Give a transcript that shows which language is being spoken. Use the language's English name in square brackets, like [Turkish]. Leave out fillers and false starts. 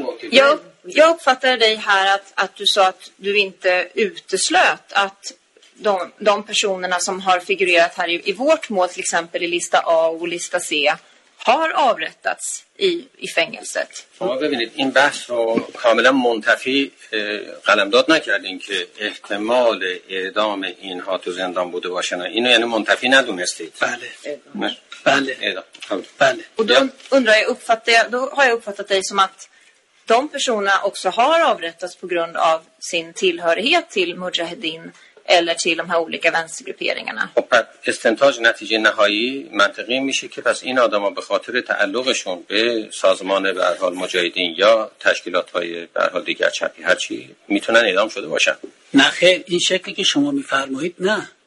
[Swedish] Jag Jag uppfattade dig här att du sa att du inte uteslöt att de personerna som har figurerat här i vårt mål, till exempel i lista A och lista C, har avrättats i fängelset. [Persian] Ja, ببینید این بحث رو کاملا منتفی قلمداد نکردین که احتمال اعدام اینها تو زندان بوده باشن. اینو یعنی منتفی ندونستید. بله. بله. بله. [Swedish] Och då undrar jag, har jag uppfattat dig som att de personerna också har avrättats på grund av sin tillhörighet till Mujahedin eller till de här olika vänstergrupperingarna. [Persian] Och استنتاج نتیجه نهایی منطقی میشه که پس این آدما به خاطر تعلقشون به سازمان به هر حال مجاهدین یا تشکیلات های به هر حال دیگر چپی هر چی میتونن اعدام شده باشن. نه خیر، این شکلی که شما میفرمایید نه.